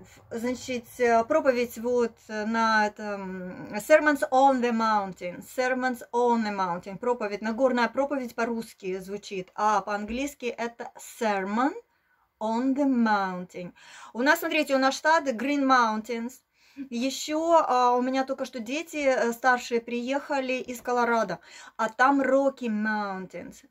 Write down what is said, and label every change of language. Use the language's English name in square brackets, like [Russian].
[Russian] Значит, проповедь вот на этом... [English] Sermons on the mountain. Sermons on the mountain. [Russian] Проповедь, нагорная проповедь по-русски звучит. А по-английски это sermon. [English] On the mountain. [Russian] У нас, смотрите, у нас штаты Green Mountains. Еще у меня только что дети старшие приехали из Колорадо. А там Rocky Mountains.